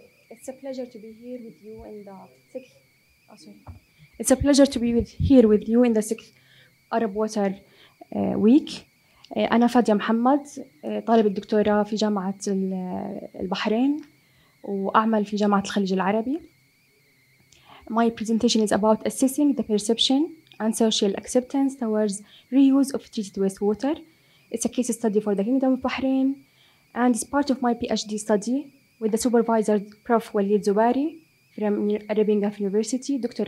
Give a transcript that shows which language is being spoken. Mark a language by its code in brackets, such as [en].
[en] It's a pleasure to be here with you in the sixth. Oh, sorry. It's a pleasure to be with here with you in the sixth Arab Water Week. [ar] أنا فادية محمد، طالبة دكتوراه في جامعة البحرين وأعمل في جامعة الخليج العربي. [en] My presentation is about assessing the perception and social acceptance towards reuse of treated wastewater. It's a case study for the Kingdom of Bahrain. And it's part of my PhD study with the supervisor, Prof. Waleed Zubari from Arab Gulf University, Dr.